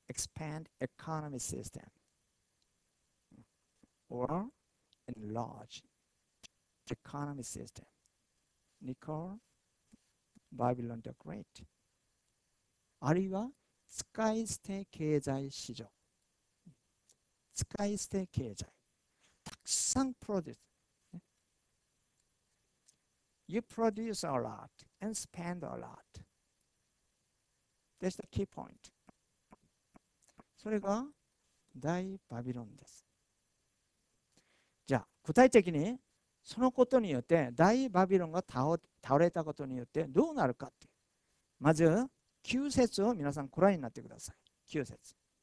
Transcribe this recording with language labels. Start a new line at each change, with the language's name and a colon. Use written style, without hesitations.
English: expand economy system or enlarge economy system。
Japanese: ニコール、バビロン・ザ・グレート。あるいは、使い捨て経済市場。使い捨て経済。たくさんプロデュース。
English: You produce a lot and spend a lot. That's the key point.
Japanese: それが大バビロンです。じゃあ、具体的に、そのことによって、大バビロンが倒れたことによってどうなるかって。まず、9節を皆さんご覧になってください。9節。